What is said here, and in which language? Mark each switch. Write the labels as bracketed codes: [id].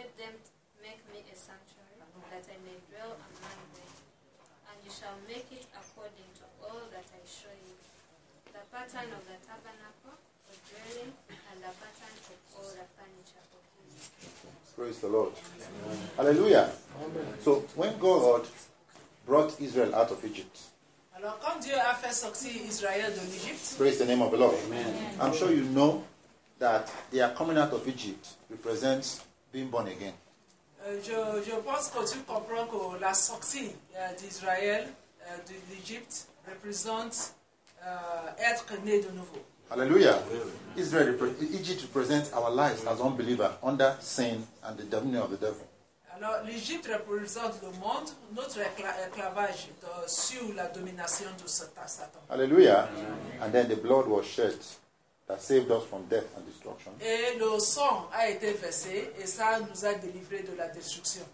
[en] Let them make me a sanctuary that I may dwell among them, and you shall make it according to all that I show you. The pattern of the tabernacle, the dwelling, and the pattern of all the furniture of you. Praise the Lord. Amen. Hallelujah. Amen. So when God brought Israel out of Egypt. [fr] Alors, quand Dieu a fait sortir Israël de l'Égypte, [en] praise the name of the Lord. Amen. I'm sure you know that their coming out of Egypt represents being born again. [fr] Je pense que tu comprends que la sortie d'Israël de l'Égypte représente être né de nouveau. [en] Hallelujah. Israel, Egypt represents our lives as unbelievers under sin and the dominion of the devil. [fr] Alors, l'Égypte représente le monde, notre esclavage sur la domination de Satan. Alléluia. [en] And then the blood was shed that saved us from death and destruction. [fr] Et le sang a été versé et ça nous a délivré de la destruction.